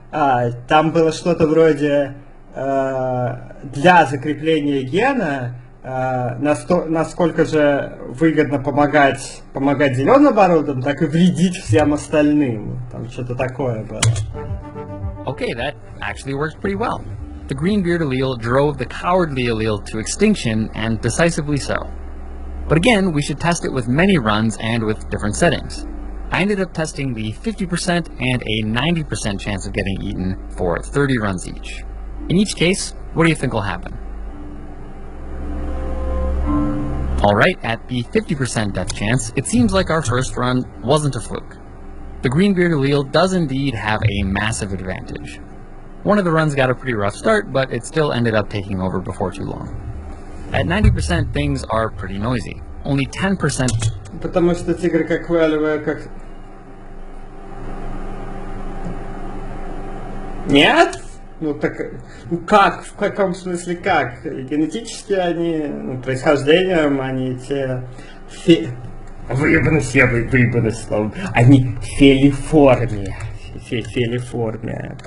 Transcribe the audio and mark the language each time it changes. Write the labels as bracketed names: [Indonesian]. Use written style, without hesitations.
[Russian] А, там было что-то вроде для закрепления гена, насколько же выгодно помогать зеленым бородам, так и вредить всем остальным. Там что-то такое было. [English] Okay, that actually works pretty well. The green beard allele drove the cowardly allele to extinction, and decisively so. But again, we should test it with many runs and with different settings. I ended up testing the 50% and a 90% chance of getting eaten for 30 runs each. In each case, what do you think will happen? Alright, at the 50% death chance, it seems like our first run wasn't a fluke. The Greenbeard allele does indeed have a massive advantage. One of the runs got a pretty rough start, but it still ended up taking over before too long. At 90%, things are pretty noisy. Only 10%. [Russian] Потому что тигр как валивая, как. Нет? Ну так. Ну как? В каком смысле как? Генетически они. Ну, происхождением они те. Они фелиформия.